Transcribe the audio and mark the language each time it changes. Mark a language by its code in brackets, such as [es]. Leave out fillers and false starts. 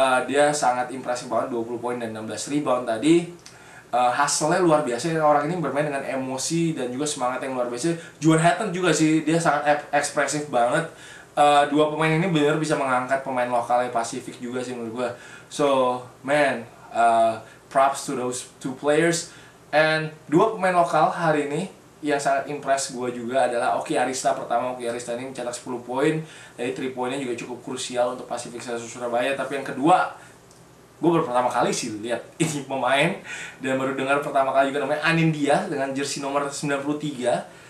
[id] Dia sangat impresif banget, 20 poin dan 16 rebound tadi. Hustle-nya luar biasa, orang ini bermain dengan emosi dan juga semangat yang luar biasa. Juan Hatton juga sih, dia sangat ekspresif banget. Dua pemain ini benar bisa mengangkat pemain lokalnya Pacific juga sih menurut gue. [en] So, man, props to those two players. [id] And dua pemain lokal hari ini yang sangat impress gue juga adalah Oki Arista. Pertama, Oki Arista ini mencetak 10 poin. Jadi 3 poinnya juga cukup krusial untuk Pacific Sesa Surabaya. Tapi yang kedua, gue baru pertama kali sih lihat ini pemain dan baru dengar pertama kali juga namanya, Anindya dengan jersey nomor 93.